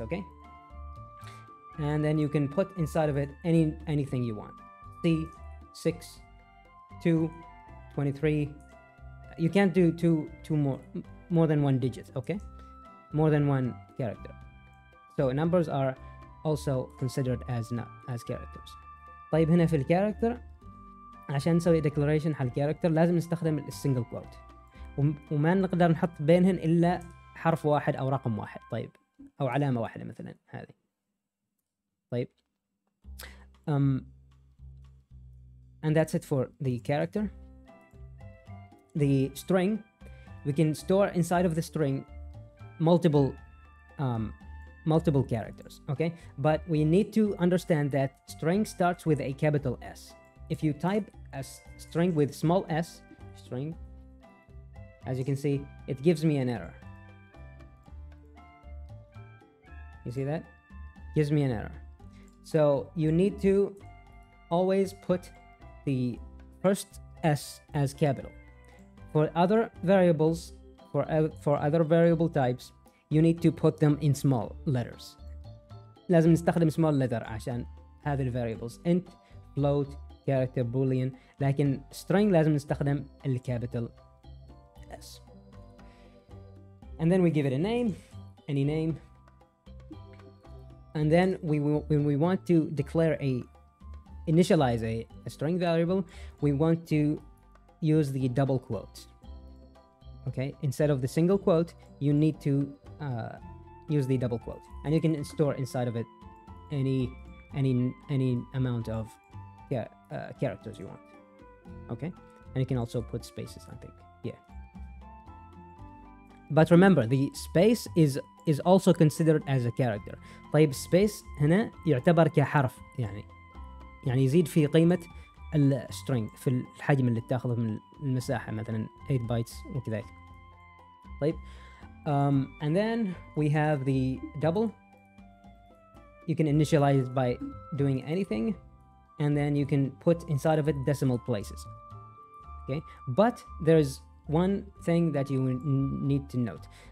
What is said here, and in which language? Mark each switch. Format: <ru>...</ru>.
<en>Okay, and then you can put inside of it anything you want. See, 6 2 23. You can't do two more than one digit. Okay, more than one character. So numbers are also considered as not as characters.</en> <ar>طيب هنا في الكاركتر عشان نسوي declaration حال الكاركتر لازم نستخدم السنجل كوت وما نقدر نحط بينهن إلا حرف واحد أو رقم واحد طيب أو علامة واحدة مثلا هذه.</ar> <en>طيب and that's it for the character. The string, we can store inside of the string multiple multiple characters, okay? But we need to understand that string starts with a capital S. If you type a string with small s, string, as you can see, it gives me an error. You see that? Gives me an error. So you need to always put the first S as capital. For other variables, for other variable types, you need to put them in small letters.</en> <ar>لازم نستخدم small letter عشان هذه ال variables int, float, character, boolean. لكن string لازم نستخدم ال capital S.</ar> <en>And then we give it a name, any name. And then when we want to declare a initialize a string variable, we want to use the double quotes. Okay, instead of the single quote, you need to use the double quote, and you can store inside of it any amount of characters you want. Okay, and you can also put spaces, I think. Yeah, but remember, the space is also considered as a character.</en> <ar>طيب space هنا يعتبر كحرف يعني يزيد في قيمة الstring في الحجم اللي تأخذه من المساحة مثلا 8 bytes وكذلك.</ar> <en>طيب and then we have the double. You can initialize it by doing anything, and then you can put inside of it decimal places. Okay, but there is one thing that you need to note.</en>